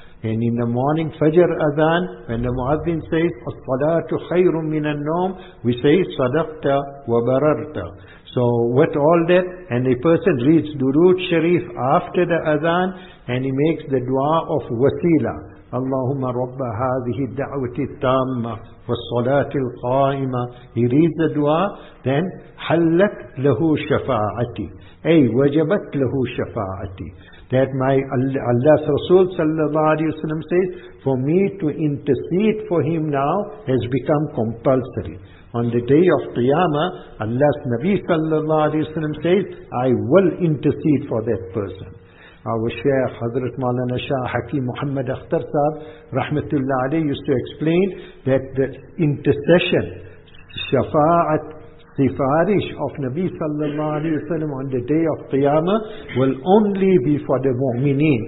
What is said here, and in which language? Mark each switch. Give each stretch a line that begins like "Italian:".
English: And in the morning, Fajr adhan, when the muazzin says,
Arabic: As-salatu khayrun min an-nawm,
English: we say,
Arabic: Sadaqta wa bararta.
English: So with all that, and a person reads Durood Sharif after the adhan, and he makes the dua of wasila,
Arabic: اللهم رب هذه الدعوة التامة والصلاة القائمة يريد دعاء
English: then
Arabic: حلت له شفاعتي أي وجبت له شفاعتي.
English: That my Allah's Rasul sallallahu alayhi wa sallam says, for me to intercede for him now has become compulsory. On the day of Qiyamah, Allah's Nabi sallallahu alayhi wa sallam says, I will intercede for that person. Our Shaykh Hazrat Maulana Shah Hakim Muhammad Akhtar Sahib, rahmatullah alayhi, used to explain that the intercession, shafa'at, sifarish of Nabi sallallahu alayhi wa sallam on the day of Qiyamah will only be for the mu'mineen.